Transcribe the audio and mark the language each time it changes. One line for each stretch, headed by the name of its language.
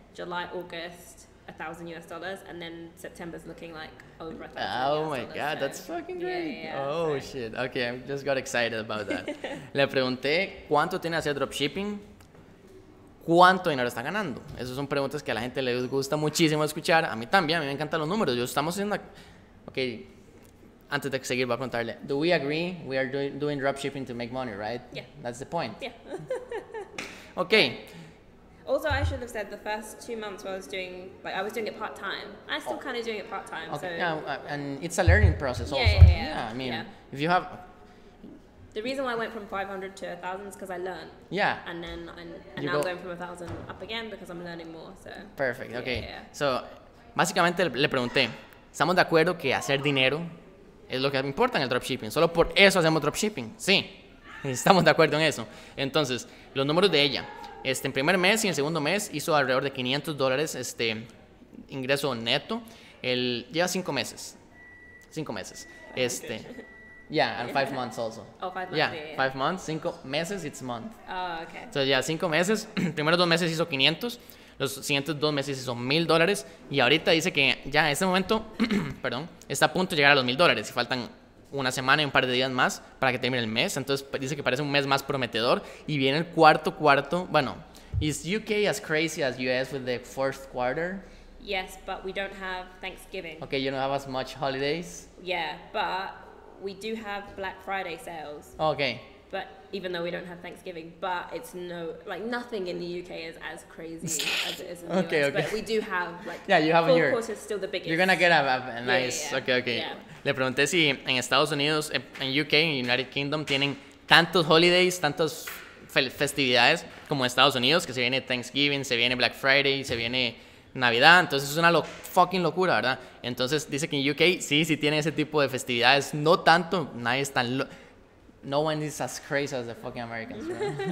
English: July, August, $1,000, and then September's looking like over $1,000. Oh my god, that's fucking great. Shit. Okay, I just got excited about that.
Spanish: Le pregunté cuánto tiene hacer dropshipping, cuánto dinero está ganando. Esas son preguntas que a la gente les gusta muchísimo escuchar. A mí también, a mí me encantan los números. Yo estamos haciendo. Okay, antes de seguir, voy a preguntarle:
English: do we agree we are doing dropshipping to make money, right? Yeah. That's the point. Yeah. Okay. Also, I should have said the first 2 months while I was doing, like, I was doing it part-time. I'm still kind of doing it part-time, okay. So... Yeah, and it's a learning process also. Yeah. I mean, if you have... The reason why I went from 500 to 1,000 is because I learned. Yeah. And then I'm going from 1,000 up again because I'm learning more, so... Perfect, yeah, okay. Yeah.
Spanish: So, básicamente le pregunté, ¿estamos de acuerdo que hacer dinero es lo que importa en el dropshipping? ¿Solo por eso hacemos dropshipping? Sí, estamos de acuerdo en eso. Entonces, los números de ella... en primer mes y en segundo mes hizo alrededor de $500 ingreso neto. Lleva 5 meses.
English: And 5 months also. Oh, 5 months. Yeah, 5 months.
Spanish: 5 meses,
English: it's month. Oh, okay.
Spanish: Entonces, ya 5 meses. Primero 2 meses hizo 500. Los siguientes 2 meses hizo $1,000. Y ahorita dice que ya en este momento, perdón, está a punto de llegar a los $1,000. Y faltan una semana y un par de días más para que termine el mes. Entonces dice que parece un mes más prometedor. Y viene el cuarto. Bueno, ¿es
English: UK as crazy as US with the fourth quarter? Yes, but we don't have Thanksgiving. Okay, you don't have as much holidays. Yeah, but we do have Black Friday sales. Okay. But even though we don't have Thanksgiving, but it's no, like, nothing in the UK is as crazy as it is in the okay, US. Okay. But we do have, like, yeah, you have four quarters still the biggest. You're gonna get a nice, okay. Yeah.
Spanish: Le pregunté si en Estados Unidos, en UK, en United Kingdom, tienen tantos holidays, tantas festividades como en Estados Unidos, que se viene Thanksgiving, se viene Black Friday, se viene Navidad. Entonces es una fucking locura, ¿verdad? Entonces dice que en UK sí tienen ese tipo de festividades. No tanto, nadie es tan...
English: No one is as crazy as the fucking Americans, right?